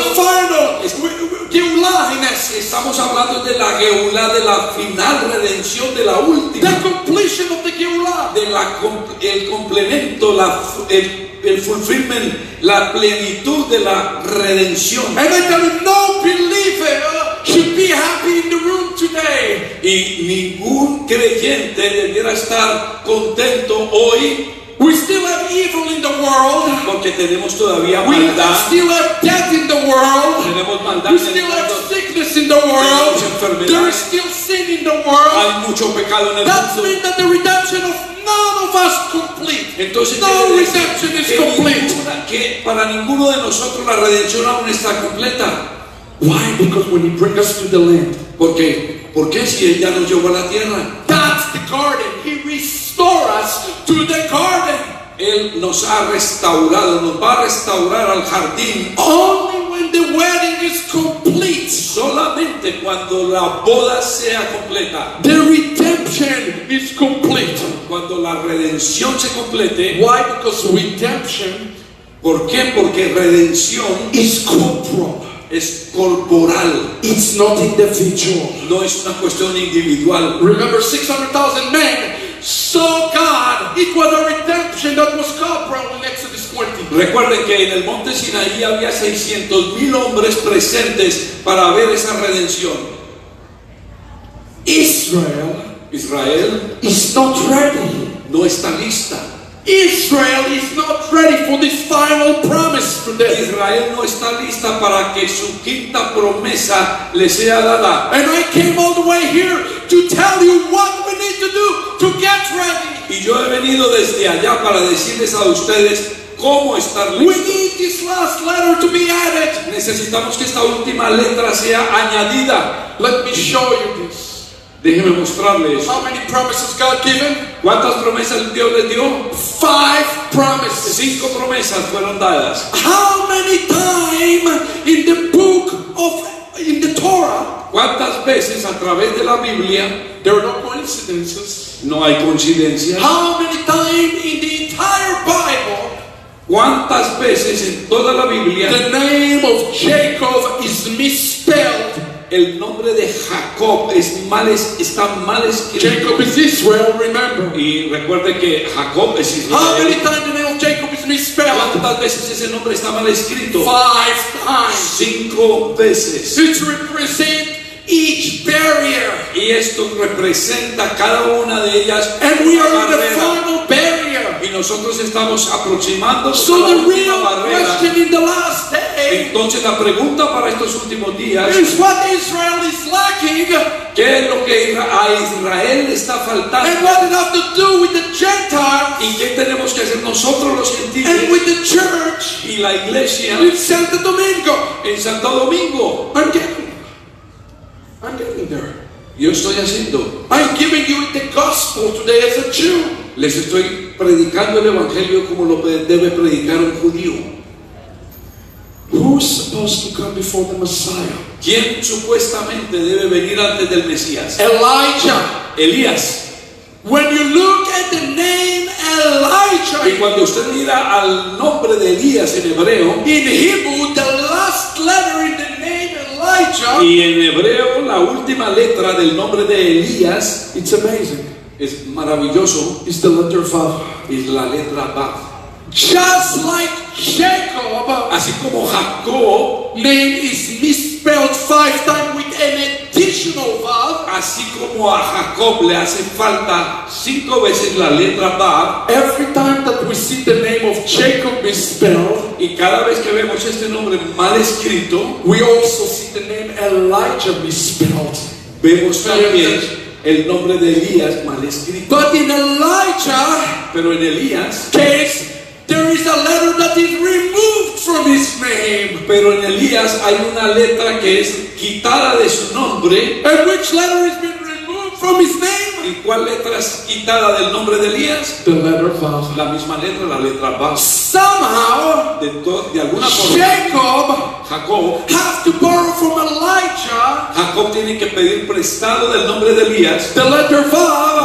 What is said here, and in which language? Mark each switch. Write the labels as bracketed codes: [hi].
[en] about the final. Geulah y Nesis. [es] Estamos hablando de la Geulah, de la final redención, de la última. [en] The completion of the Geulah. [es] De la el complemento, la el el fulfillment, la plenitud de la redención. [en] And I tell you, no believer should be happy in the room today. [es] Y ningún creyente debiera estar contento hoy. [en] We still have evil in the world. [es] Porque tenemos todavía [en] we [es] maldad. [en] We still have death in the world. [es] Tenemos maldad. [en] We still have sickness in the world. There is still sin in the world. [es] Hay mucho pecado en el [en] that [es] mundo. [en] Means that the redemption of none of us complete. [es] Entonces, [en] no redemption is complete. [es] Que para ninguno de nosotros la redención aún está completa. [en] Why? Because when He brings us to the land. [es] Porque, ¿por qué si Él ya nos llevó a la tierra? [en] That's the garden. He restores to the garden. [es] Él nos ha restaurado, nos va a restaurar al jardín. [en] Only when the wedding is complete. [es] Solamente cuando la boda sea completa. [en] The redemption is complete. [es] Cuando la redención se complete. [en] Why? Because redemption. [es] ¿Por qué? Porque redención [en] is corporal. [es] Es corporal. [en] It's not individual. [es] No es una cuestión individual. [en] Remember, 600,000 men saw God. It was a redemption that was corporal in Exodus 20. [es] Recuerden que en el monte Sinaí había 600,000 hombres presentes para ver esa redención. [en] Israel. [es] Israel. [en] Is not ready. [es] No está lista. [en] Israel is not ready for this final promise today. [es] Israel no está lista para que su quinta promesa le sea dada. [en] And I came all the way here to tell you what we need to do to get ready. [es] Y yo he venido desde allá para decirles a ustedes cómo estar listos. [en] We need this last letter to be added. [es] Necesitamos que esta última letra sea añadida. [en] Let me show you this. [es] Déjeme mostrarles. [en] How many promises God given? [es] ¿Cuántas promesas Dios les dio? [en] 5 promises. [es] 5 promesas fueron dadas. [en] How many times in the book of in the Torah? [es] ¿Cuántas veces a través de la Biblia? [en] There are no coincidences. [es] No hay coincidencias. [en] How many times in the entire Bible? [es] ¿Cuántas veces en toda la Biblia? [en] The name of Jacob is misspelled. [es] El nombre de Jacob es mal, está mal escrito. [en] Jacob is Israel, remember. [es] Y recuerde que Jacob es Israel. [en] How many times the name of Jacob is misspelled? [es] ¿Cuántas veces ese nombre está mal escrito? [en] 5 times. [es] 5 veces. [en] It represents each barrier. [es] Y esto representa cada una de ellas. [en] And we are in the final barrier. [es] Y nosotros estamos aproximando. [en] So the real question in the last day. [es] Entonces la pregunta para estos últimos días [en] is what Israel is lacking. [es] ¿Qué es lo que a Israel está faltando? [en] And what it have to do with the Gentiles. [es] ¿Y qué tenemos que hacer nosotros los gentiles? [en] And with the church. [es] ¿Y la iglesia? [en] In Santo Domingo. [es] En Santo Domingo. [en] I'm getting there. [es] Yo estoy haciendo. [en] I'm giving you the gospel today as a Jew. [es] Les estoy predicando el evangelio como lo debe predicar un judío. [en] Who is supposed to come before the Messiah? [es] ¿Quién supuestamente debe venir antes del Mesías? [en] Elijah. [es] Elías. [en] When you look at the name Elijah. [es] Y cuando usted mira al nombre de Elías en hebreo. [en] In Hebrew, the last letter in the name Elijah. [es] Y en hebreo la última letra del nombre de Elías. [en] It's amazing. [es] Es maravilloso. [en] It's the letter Vav. [es] Es la letra Vav. [en] Just like Jacob, [es] así como Jacob, [en] name is misspelled 5 times with an additional vav. [es] Así como a Jacob le hace falta 5 veces la letra vav. [en] Every time that we see the name of Jacob misspelled, [es] y cada vez que vemos este nombre mal escrito, [en] we also see the name Elijah misspelled. [es] Vemos también el nombre de Elías mal escrito. [en] But in Elijah, [es] pero en Elías, [en] case. There is a letter that is removed from his name. [es] Pero en Elías hay una letra que es quitada de su nombre. [en] And which letter has been removed from his name? [es] ¿Y cuál letra es quitada del nombre de Elías? [en] The letter Vav. [es] La misma letra, la letra Vav. [en] Somehow, [es] de alguna forma, [en] Jacob has to borrow from Elijah. [es] Jacob tiene que pedir prestado del nombre de Elías. [en] The letter Vav.